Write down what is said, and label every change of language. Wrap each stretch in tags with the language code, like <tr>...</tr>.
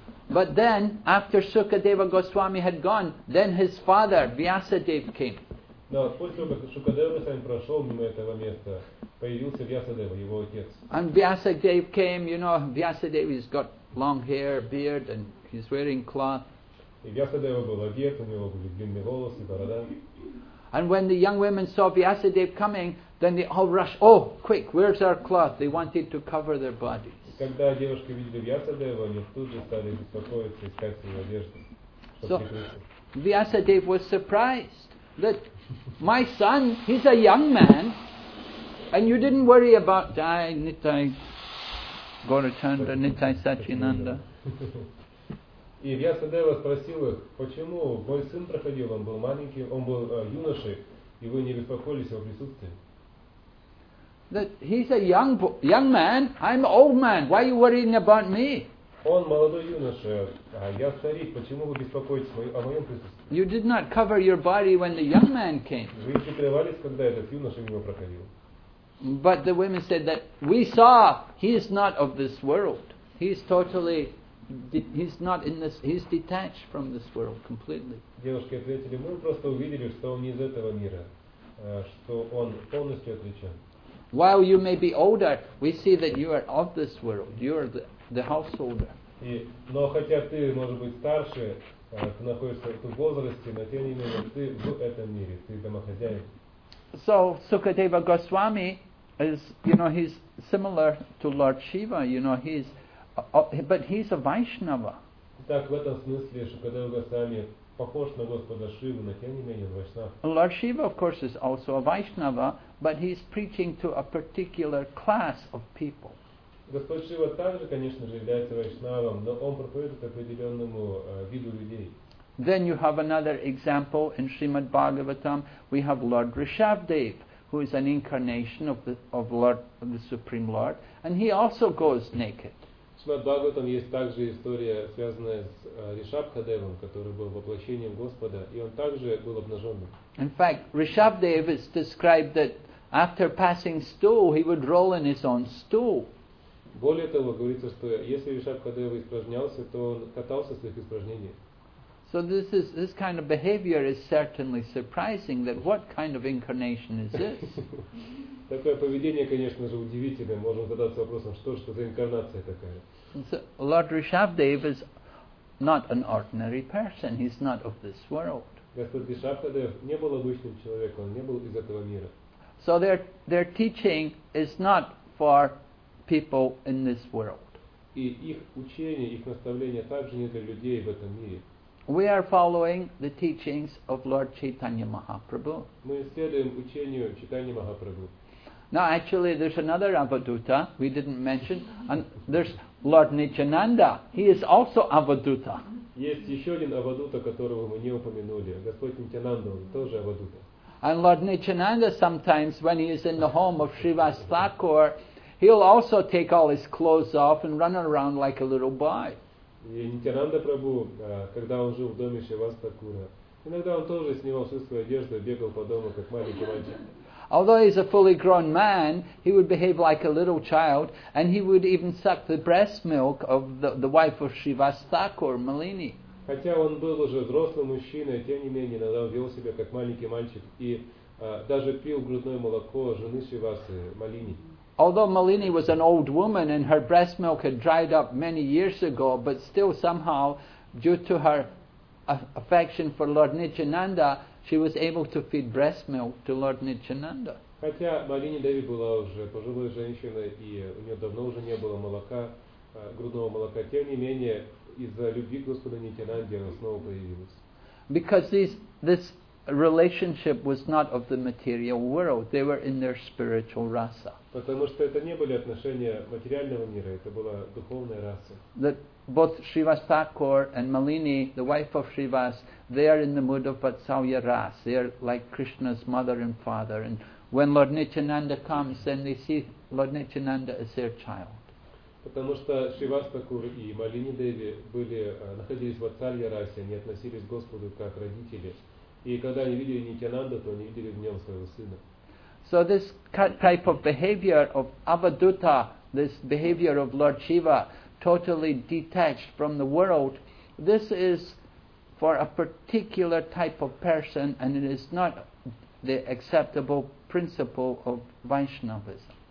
<en>But then, after Sukadeva Goswami had gone, then his father, Vyasadeva, came.</en> <ru>Но после того, как Шукадева сам прошел мимо этого места, появился Вьясадева, его отец.</ru> <en>And Vyasadeva came, you know, Vyasadeva has got long hair, beard, and He's wearing cloth.</en> <ru>Vyasadeva был одет, у него были длинные волосы, борода.</ru> <en>And when the young women saw Vyasadeva coming, then they all rushed. Oh, quick, where's our cloth? They wanted to cover their bodies.</en> <ru>Когда девушки видели Vyasadeva, они тут же стали беспокоиться, искать свою одежду.</ru> <en>So Vyasadeva was surprised that my son, he's a young man, and you didn't worry about Jai Nitai Gorachandra, Nitai Sachinanda.</en> <ru>И Вьясадева спросил их, почему мой сын проходил, он был маленький, он был юношей, и вы не беспокоились о присутствии?</ru> <en>That he's a young man, I'm old man, why are you worrying about me?</en> <ru>Он молодой юноша, а я старик, почему вы беспокоитесь о моем присутствии?</ru> <en>You did not cover your body when the young man came.</en> <ru>Вы не прикрывались, когда этот юноша мимо проходил?</ru> <en>But the women said that we saw he is not of this world. He's detached from this world completely.</en> <ru>Девушки ответили, мы просто увидели, что он не из этого мира, что он полностью отличен.</ru> <en>While you may be older, we see that you are of this world. You are the householder.</en> <ru>И, но хотя ты, может быть, старше, ты находишься в том возрасте, но тем не менее ты в этом мире, ты домохозяин.</ru> <en>So Sukadeva Goswami is, you know, he's similar to Lord Shiva, you know, but he's a Vaishnava.</en> <ru>Так в этом смысле Шукадева Госвами похож на Господа Шиву, но тем не менее Вайшнава.</ru> <en>Lord Shiva, of course, is also a Vaishnava, but he's preaching to a particular class of people.</en> <ru>Господь Шива также, конечно же, является Вайшнавом, но он проповедует определенному виду людей.</ru> <en>Then you have another example in Srimad Bhagavatam. We have Lord Rishabhdev, who is an incarnation of the Supreme Lord, and he also goes naked.</en> <ru>В Srimad Bhagavatam есть также история, связанная с Ришабхадевом, который был воплощением Господа, и он также был обнаженным.</ru> <en>In fact, Rishabhdev is described that after passing stool, he would roll in his own stool.</en> <ru>Более того, говорится, что если Ришабхадев испражнялся, то он катался в своих испражнениях.</ru> <en>So this kind of behavior is certainly surprising. That what kind of incarnation is this?</en> <ru>Такое поведение, конечно же, удивительное. Можем задаться вопросом, что за инкарнация такая?</ru> <en>So Lord Rishabhdev is not an ordinary person. He's not of this world.</en> <ru>Господь Ришабхадев не был обычным человеком. Он не был из этого мира.</ru> <en>So their teaching is not for people in this world.</en> <ru>И их учение, их наставление также не для людей в этом мире.</ru> <en>We are following the teachings of Lord Chaitanya Mahaprabhu.</en> <ru>Мы следуем учению Чайтаньи Махапрабху.</ru> <en>Now, actually, there's another Avaduta we didn't mention, and there's Lord Nityananda. He is also Avaduta.</en> <ru>Есть еще один Авадута, которого мы не упомянули. Господь Нитянанда, он тоже Авадута.</ru> <en>And Lord Nityananda, sometimes when he is in the home of Shrivas Thakur, he'll also take all his clothes off and run around like a little boy.</en> <ru>И Нитянанда Прабху, когда он жил в доме Шривас Такура, иногда он тоже снимал всю свою одежду и бегал по дому, как маленький мальчик.</ru> <en>Although he's a fully grown man, he would behave like a little child, and he would even suck the breast milk of the wife of Shrivas Thakur, Malini.</en> <ru>Хотя он был уже взрослым мужчиной, тем не менее, иногда он вел себя, как маленький мальчик, и даже пил грудное молоко жены Шривасы, Малини.</ru> <en>Although Malini was an old woman and her breast milk had dried up many years ago, but still somehow, due to her affection for Lord Nityananda, she was able to feed breast milk to Lord Nityananda.</en> <ru>Хотя Малини Деви была уже пожилой женщиной и у нее давно уже не было молока, грудного молока, тем не менее, из-за любви к Господу Нитянанде она снова появилась.</ru> <en>Because this relationship was not of the material world. They were in their spiritual rasa.</en> <ru>Потому что это не были отношения материального мира, это была духовная раса.</ru> <en>That both Shrivas Thakur and Malini, the wife of Shrivas, they are in the mood of Vatsalya rasa. They are like Krishna's mother and father. And when Lord Nityananda comes, then they see Lord Nityananda as their child.</en> <ru>Потому что Shrivas Thakur и Malini Devi находились в Vatsalya rasa, они относились к Господу как родители. И когда они видели Нитянанду, то они видели в нем своего сына.</ru> <en>So this type of behavior of Avaduta, this behavior of Lord Shiva, totally detached from the world, this is for a particular type of person, and it is not the acceptable principle of Vaishnavism.</en>